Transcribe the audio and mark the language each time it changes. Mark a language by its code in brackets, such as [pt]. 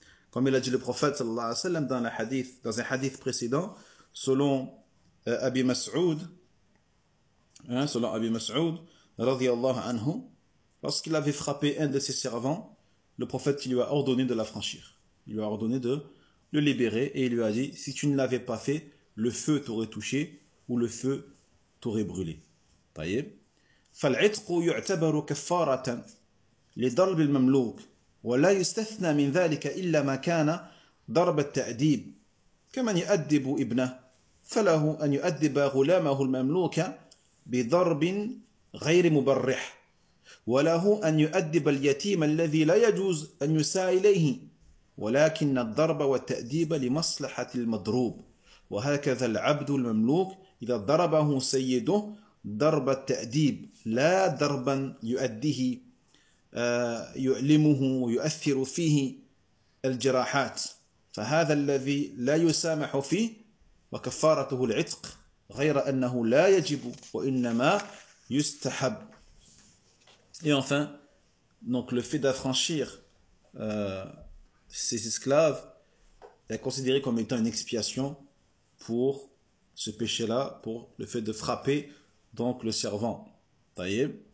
[fr] Comme il a dit le prophète [ar] sallallahu alayhi wa sallam [fr] dans le hadith, dans un hadith précédent, selon Abi Mas'ud, hein, selon Abi Mas'ud [ar] radiyallahu anhu, [fr] lorsqu'il avait frappé un de ses servants, le prophète lui a ordonné de l'affranchir. Il lui a ordonné de le libérer et il lui a dit: si tu ne l'avais pas fait, le feu t'aurait touché ou le feu t'aurait brûlé. [ar] طيب فالعتق يعتبر كفارة لضرب المملوك ولا يستثنى من ذلك إلا ما كان ضرب التأديب كمن يؤدب ابنه فله أن يؤدب غلامه المملوك بضرب غير مبرح وله أن يؤدب اليتيم الذي لا يجوز أن يساوي إليه ولكن الضرب والتأديب لمصلحة المضروب وهكذا العبد المملوك إذا ضربه سيده ضرب التأديب لا ضربا يؤديه يؤلمه ويؤثر فيه الجراحات فهذا الذي لا يسامح فيه وكفارته العتق غير أنه لا يجب وإنما يستحب. [fr] Et enfin, donc le fait d'affranchir ces esclaves est considéré comme étant une expiation pour ce péché-là, pour le fait de frapper donc le servant. Taïeb.